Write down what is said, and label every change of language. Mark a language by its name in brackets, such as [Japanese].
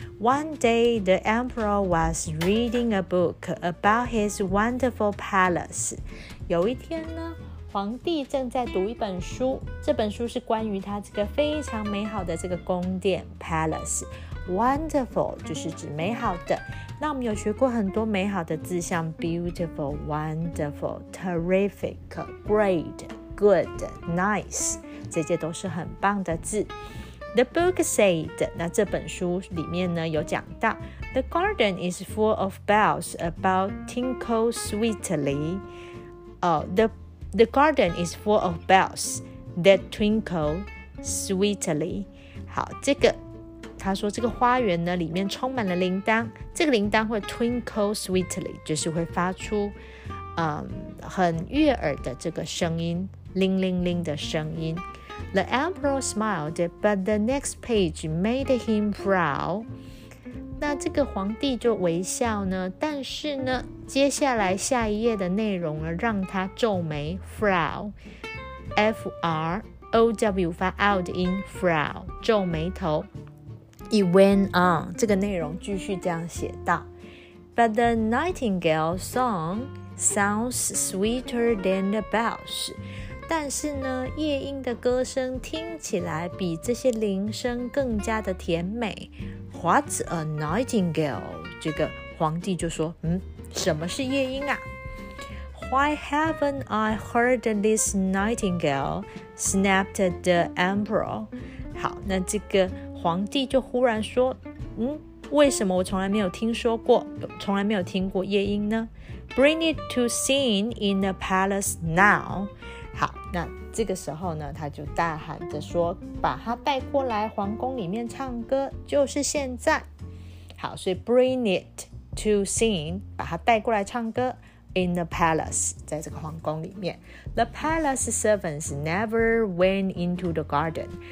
[English] One day, the emperor was reading a book about his wonderful palace. [Chinese] 有一天呢，皇帝正在读一本书，这本书是关于他这个非常美好的这个宫殿 palace. Wonderful 就是指美好的。那我们有学过很多美好的字，像 beautiful, wonderful, terrific, great. Good, nice, 这些都是很棒的字。 [English] The book said, [Chinese] 那这本书里面呢有讲到 [English] The garden is full of bells about tinkle sweetly. The garden is full of bells that twinkle sweetly. [Chinese] 好，这个他说这个花园呢里面充满了铃铛，这个铃铛会 [English] twinkle sweetly， [Chinese] 就是会发出很悦耳的这个声音。铃铃铃的声音。 [English] The emperor smiled, but the next page made him frown. [Chinese] 那这个皇帝就微笑呢，但是呢接下来下一页的内容呢让他皱眉。 frown F-R-O-W 发 out 的音 frown 皱眉头。 [English] It went on， [Chinese] 这个内容继续这样写道。 [English] But the nightingale song sounds sweeter than the bells. [Chinese] 但是呢，夜莺的歌声听起来比这些铃声更加的甜美。 [English] What's a nightingale? [Chinese] 这个皇帝就说，什么是夜莺啊？ [English] Why haven't I heard this nightingale? Snapped the emperor. [Chinese] 好，那这个皇帝就忽然说，为什么我从来没有听说过，从来没有听过夜莺呢？ [English] Bring it to sing in the palace now. [Chinese] 好，那这个时候呢，他就大喊着说，把它带过来皇宫里面唱歌，就是现在。好，所以 [English] bring it to sing, [Chinese] 把它带过来唱歌。 [English] In the palace, [Chinese] 在这个皇宫里面 [English] The palace servants never went into the garden.